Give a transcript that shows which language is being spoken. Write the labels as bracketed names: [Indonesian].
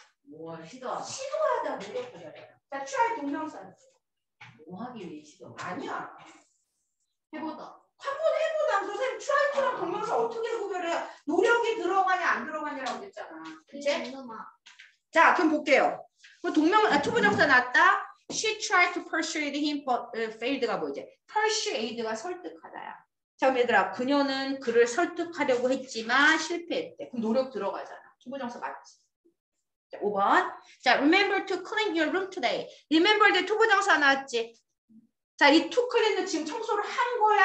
[Korean] 뭐야? 시도하다. 시도하다 노력하자. 자, try 동명사는? 뭐 하기 위해 시도? 아니야. 해보다. 한번 해보다. 선생님 트라이트랑 동명사 어떻게 구별해요? 노력이 들어가냐 안 들어가냐라고 했잖아. 그치? 자 그럼 볼게요. 동명 아, 투부정사 났다. [English] She tried to persuade him but failed가 [Korean] 뭐지? Persuade가 설득하다야. 자 그럼 얘들아 그녀는 그를 설득하려고 했지만 실패했대. 그럼 노력 들어가잖아. 투부정사 맞지? 자 5번. [English] 자 Remember to clean your room today. Remember [Korean] 때 투부정사 나왔지? 자, 이 투클린은 지금 청소를 한 거야?